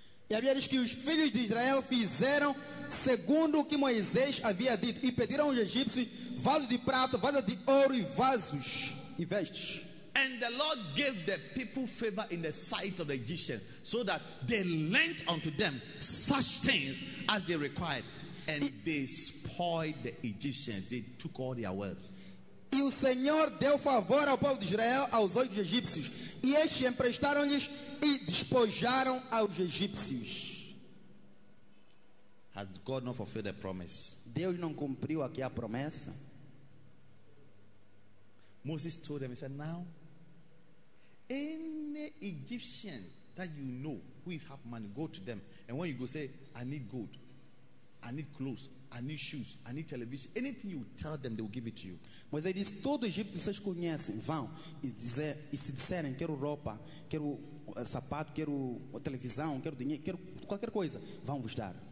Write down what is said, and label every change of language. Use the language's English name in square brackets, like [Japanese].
[Portuguese] E havia diz que os filhos de Israel fizeram segundo o que Moisés havia dito e pediram aos egípcios vasos de prata, vasos de ouro e vasos e vestes. [English] And the Lord gave the people favor in the sight of the Egyptians, so that they lent unto them such things as they required, and they spoiled the Egyptians. They took all their wealth. [Portuguese] E o Senhor deu favor ao povo de Israel aos olhos dos egípcios, e estes emprestaram-lhes e despojaram aos egípcios. [English] Has God not fulfilled the promise? [Portuguese] Deus não cumpriu aqui a promessa. [English] Moses told them, he said, now, any Egyptian that you know who is half money, go to them. And when you go, say, I need gold, I need clothes, I need shoes, I need television. Anything you tell them, they will give it to you. [Portuguese] Moisés disse, todo Egito vocês conhecem, vão. E se disserem, quero roupa, quero sapato, quero televisão, quero dinheiro, quero qualquer coisa, vão vos dar.